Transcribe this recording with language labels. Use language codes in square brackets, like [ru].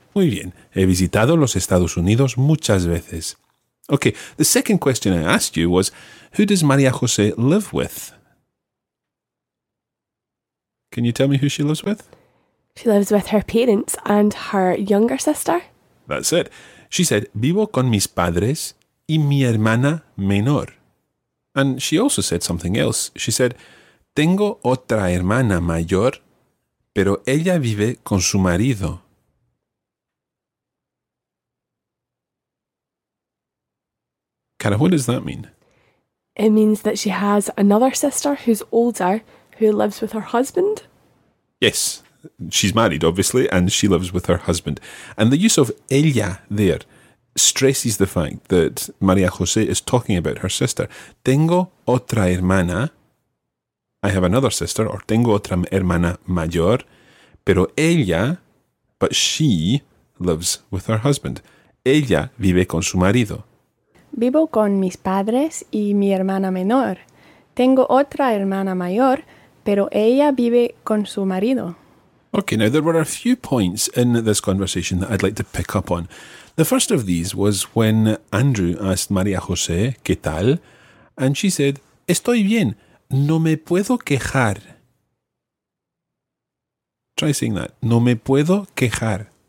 [es] Muy bien. He visitado los Estados Unidos muchas veces. [en] Okay, the second question I asked you was, who does María José live with? Can you tell me who she lives with? She lives with her parents and her younger sister. That's it. She said, [es] vivo con mis padres y mi hermana menor. [en] And she also said something else. She said, [es] tengo otra hermana mayor, pero ella vive con su marido. [en] Cara, what does that mean? It means that she has another sister who's older, who lives with her husband. Yes, she's married, obviously, and she lives with her husband. And the use of ella there stresses the fact that María José is talking about her sister. [es] Tengo otra hermana. [en] I have another sister, or [es] tengo otra hermana mayor. Pero ella, [en] but she lives with her husband. [es] Ella vive con su marido. Vivo con mis padres y mi hermana menor. Tengo otra hermana mayor, pero ella vive con su marido. [en] Okay, now there were a few points in this conversation that I'd like to pick up on. The first of these was when Andrew asked María José, [es] ¿qué tal? [en] And she said, [es] estoy bien, no me puedo quejar. [en] Try saying that. [es] No me puedo quejar.